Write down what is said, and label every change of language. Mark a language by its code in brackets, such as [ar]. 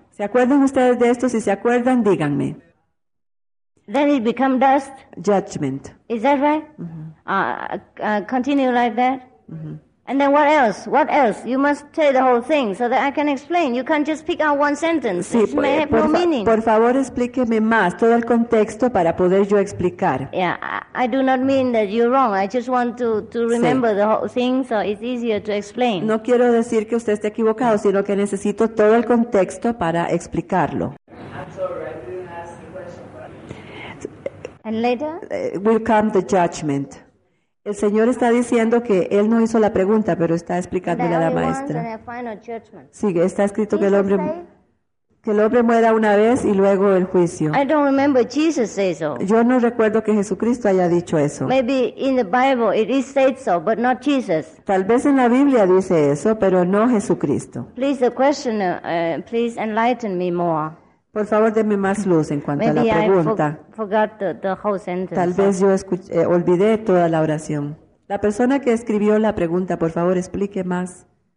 [es] ¿Se acuerdan ustedes de esto? Si se acuerdan, díganme. [en] Then it become dust. Judgment. Is that right? Mm-hmm. Continue like that. Mm-hmm. And then what else? What else? You must tell the whole thing so that I can explain. You can't just pick out one sentence. [es] Sí, [en] may have no meaning. [es] Por favor, explíqueme más todo el contexto para poder yo explicar. [en] Yeah, I do not mean that you're wrong. I just want to remember the whole thing so it's easier to explain. [es] No quiero decir que usted esté equivocado, sino que necesito todo el contexto para explicarlo. [en] And later? Will come the judgment. [es] El Señor está diciendo que él no hizo la pregunta, pero está explicándole a la maestra. Sí, está escrito que el hombre muera una vez y luego el juicio. [en] I don't remember Jesus say so. [es] Yo no recuerdo que Jesucristo haya dicho eso. [en] Maybe in the Bible it is said so, but not Jesus. [es] Tal vez en la Biblia dice eso, pero no Jesucristo. [en] Please, the questioner, please enlighten me more. [es] Por favor, denme más luz en cuanto [en] Maybe [es] a la pregunta. [en] I forgot the whole sentence. [es] Tal vez yo olvidé toda la oración. La persona que escribió la pregunta, por favor, explique más.